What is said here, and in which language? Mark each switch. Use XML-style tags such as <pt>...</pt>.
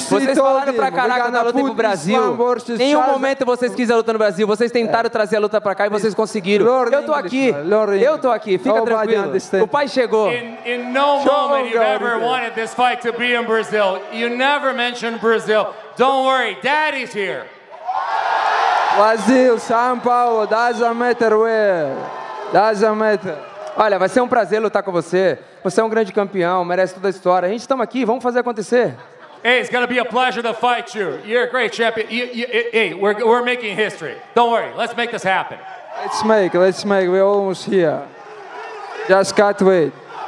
<pt>vocês falaram pra caraca da luta pro Brasil. Em nenhum momento vocês quiseram a luta no Brasil. Vocês tentaram trazer a luta pra cá e vocês conseguiram. Eu tô aqui. Fica tranquilo. O pai chegou.</pt> <en>In no moment you ever wanted this fight to be in Brazil. You never mentioned Brazil. Don't worry, daddy's here. Brasil, São Paulo, doesn't matter where. Doesn't matter.</en> <pt>Olha, vai ser um prazer lutar com você. Você é um grande campeão, merece toda a história. A gente está aqui, vamos fazer acontecer.</pt> <en>Hey, it's gonna be a pleasure to fight you. You're a great champion. We're making history. Don't worry, let's make this happen. Let's make. We're almost here. Just cut weight.</en>